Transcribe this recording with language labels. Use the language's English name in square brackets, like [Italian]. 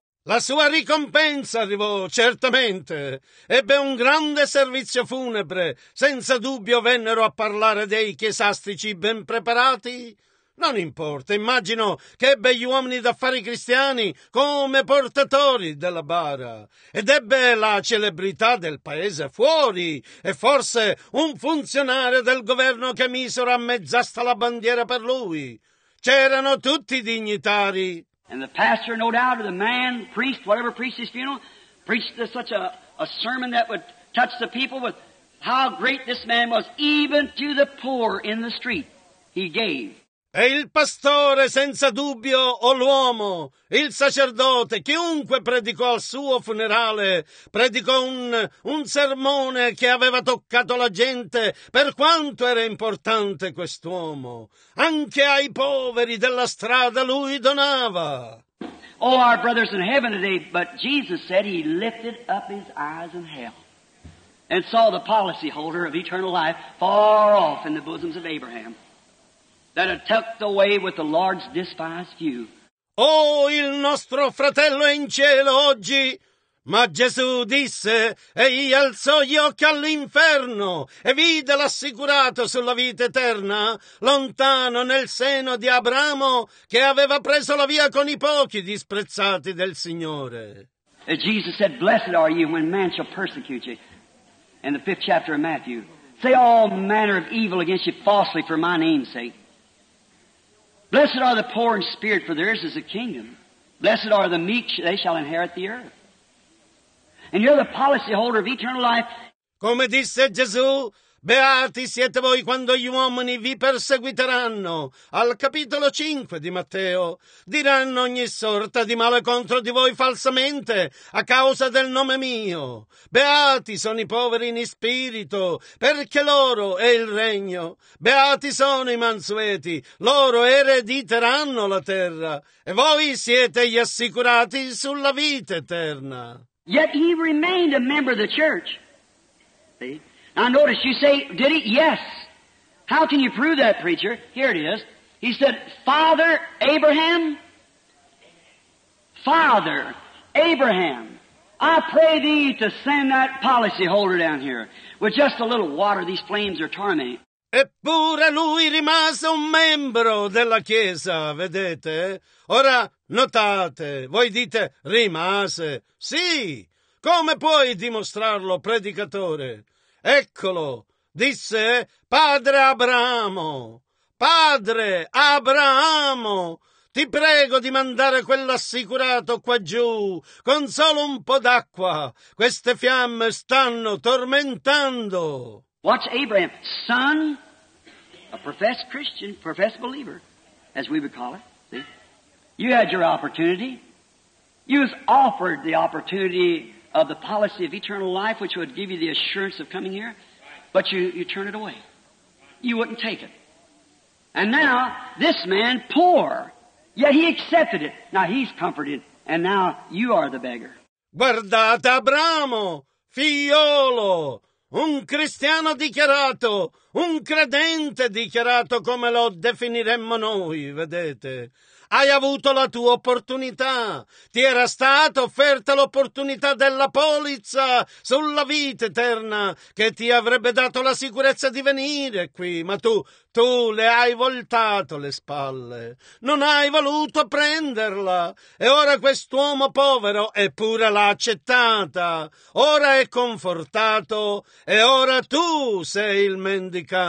[Italian] La sua ricompensa arrivò, certamente. Ebbe un grande servizio funebre. Senza dubbio vennero a parlare dei chiesastici ben preparati. Non importa, immagino che ebbe gli uomini d'affari cristiani come portatori della bara. Ed ebbe la celebrità del paese fuori e forse un funzionario del governo che misero a mezz'asta la bandiera per lui. C'erano tutti i dignitari. [English] And the pastor, no doubt, or the man, priest, whatever priest his funeral, preached such a sermon that would touch the people with how great this man was, even to the poor in the street he gave. [Italian] E il pastore, senza dubbio, o l'uomo, il sacerdote, chiunque predicò al suo funerale, predicò un sermone che aveva toccato la gente per quanto era importante quest'uomo. Anche ai poveri della strada lui donava. [English] Oh, our brothers in heaven today, but Jesus said he lifted up his eyes in hell and saw the policy holder of eternal life far off in the bosoms of Abraham. That are tucked away with the Lord's despised few. [Italian] Oh, il nostro fratello è in cielo oggi. Ma Gesù disse, egli alzò gli occhi all'inferno e vide l'assicurato sulla vita eterna, lontano nel seno di Abramo, che aveva preso la via con i pochi disprezzati del Signore. [English] And Jesus said, blessed are you when man shall persecute you. In the fifth chapter of Matthew. Say all manner of evil against you falsely for my name's sake. Blessed are the poor in spirit, for theirs is the kingdom. Blessed are the meek, they shall inherit the earth. And you're the policy holder of eternal life. [Italian] Come disse Gesù, beati siete voi quando gli uomini vi perseguiteranno. Al capitolo 5 di Matteo, diranno ogni sorta di male contro di voi falsamente a causa del nome mio. Beati sono i poveri in spirito, perché loro è il regno. Beati sono i mansueti, loro erediteranno la terra. E voi siete gli assicurati sulla vita eterna. [English] Yet he remained a member of the church. See? Now notice, you say, did he? Yes. How can you prove that, preacher? Here it is. He said, Father Abraham, Father Abraham, I pray thee to send that policy holder down here. With just a little water, these flames are tormenting. [Italian] Eppure lui rimase un membro della Chiesa, vedete? Ora, notate, voi dite, rimase. Sì, come puoi dimostrarlo, predicatore? Eccolo, disse Padre Abramo, Padre Abramo, ti prego di mandare quell'assicurato qua giù con solo un po' d'acqua. Queste fiamme stanno tormentando. [English] Watch Abraham, son, a professed Christian, professed believer, as we would call it. See? You had your opportunity. You was offered the opportunity of the policy of eternal life, which would give you the assurance of coming here, but you turn it away. You wouldn't take it. And now, this man, poor, yet he accepted it. Now he's comforted, and now you are the beggar. [Italian] Guardate Abramo, figliolo, un cristiano dichiarato, un credente dichiarato, come lo definiremmo noi, vedete. Hai avuto la tua opportunità, ti era stata offerta l'opportunità della polizza sulla vita eterna che ti avrebbe dato la sicurezza di venire qui, ma tu le hai voltato le spalle, non hai voluto prenderla e ora quest'uomo povero eppure l'ha accettata, ora è confortato e ora tu sei il mendicante.